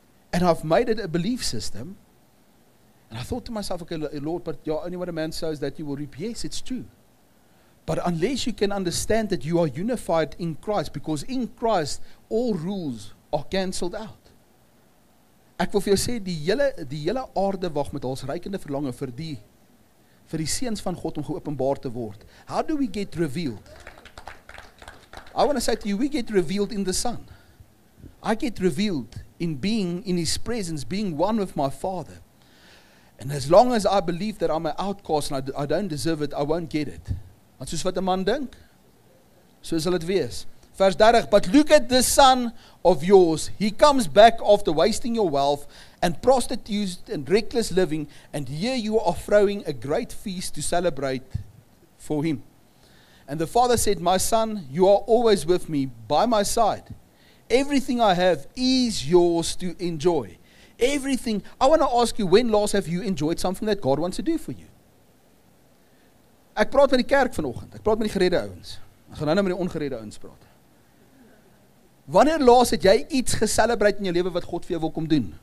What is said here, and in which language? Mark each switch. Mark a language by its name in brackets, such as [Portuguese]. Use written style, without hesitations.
[English] And I've made it a belief system, and I thought to myself, okay, Lord, but you're only what a man says that you will reap. Yes, it's true. But unless you can understand that you are unified in Christ, because in Christ, all rules are cancelled out. [Afrikaans] Ek wil vir jou sê, die hele aarde wag met ons reikende verlange vir die seuns van God om geopenbaar te word. [English] How do we get revealed? I want to say to you, we get revealed in the Son. I get revealed in being in his presence, being one with my Father. And as long as I believe that I'm an outcast and I don't deserve it, I won't get it. [Afrikaans] Want soos wat 'n man dink, so sal dit wees. Vers 30, [English] but look at this son of yours. He comes back after wasting your wealth and prostitutes and reckless living, and here you are throwing a great feast to celebrate for him. And the father said, my son, you are always with me by my side. Everything I have is yours to enjoy. Everything. I want to ask you, when last have you enjoyed something that God wants to do for you? [Afrikaans] Ek praat met die kerk vanoggend. Ek praat met die geredde ouens. Ek gaan nou met die ongeredde ouens praat. Wanneer laas het jy iets geselebreit in jou lewe wat God vir jou wil kom doen?